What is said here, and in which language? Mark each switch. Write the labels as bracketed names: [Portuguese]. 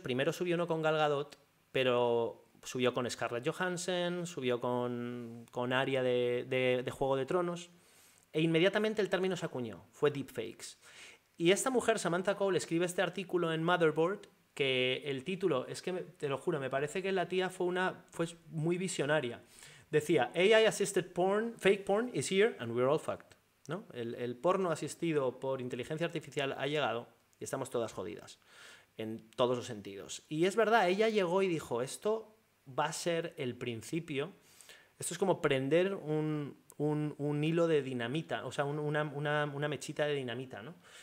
[Spanish] Primero subió uno con Gal Gadot, pero subió con Scarlett Johansson, subió con Arya de Juego de Tronos, e inmediatamente el término se acuñó, fue deepfakes. Y esta mujer, Samantha Cole, escribe este artículo en Motherboard, que el título, es que te lo juro, me parece que la tía fue muy visionaria. Decía, [English] AI-assisted porn, fake porn is here and we're all fucked. [Spanish] ¿No? El porno asistido por inteligencia artificial ha llegado y estamos todas jodidas, en todos los sentidos. Y es verdad, ella llegó y dijo, esto va a ser el principio. Esto es como prender un hilo de dinamita, o sea, una mechita de dinamita, ¿no?